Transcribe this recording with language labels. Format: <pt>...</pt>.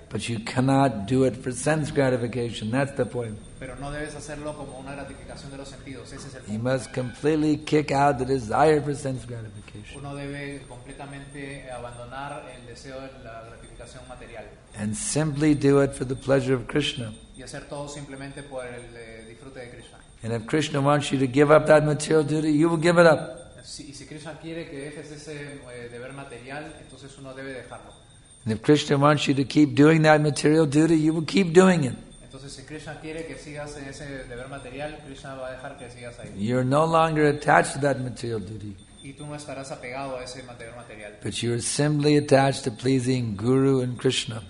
<en>But you cannot do it for sense gratification. That's the point.</en> <es>Pero no debes hacerlo como una gratificación de los sentidos. Ese es el punto.</es> <en>You must completely kick out the desire for sense gratification.</en> <es>Uno debe completamente abandonar el deseo de la gratificación material.</es> <en>And simply do it for the pleasure of Krishna.</en> <es>Y hacer todo simplemente por el disfrute de Krishna.</es> <en>And if Krishna wants you to give up that material duty, you will give it up.</en> <es>Y si Krishna quiere que dejes ese deber material, entonces uno debe dejarlo.</es> <en>And if Krishna wants you to keep doing that material duty, you will keep doing it.</en> <es>Entonces si Krishna quiere que sigas en ese deber material, Krishna va a dejar que sigas ahí.</es> <en>You're no longer attached to that material duty.</en> <es>Y tú no estarás apegado a ese deber material.</es> <en>But you are simply attached to pleasing Guru and Krishna.</en>